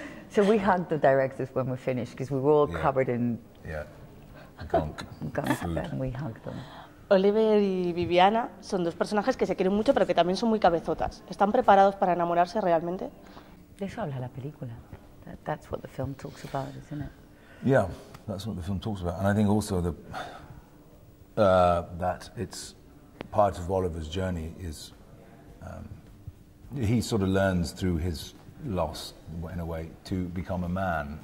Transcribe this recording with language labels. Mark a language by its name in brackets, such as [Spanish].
[English] So we hugged the directors when we finished because we were all covered in gunk food. And we hugged them. [Spanish] Oliver y Viviana son dos personajes que se quieren mucho, pero que también son muy cabezotas. ¿Están preparados para enamorarse realmente? De eso habla la película. [English] That's what the film talks about, isn't it? Yeah, that's what the film talks about. And I think also that it's part of Oliver's journey is... he sort of learns through his loss, in a way, to become a man.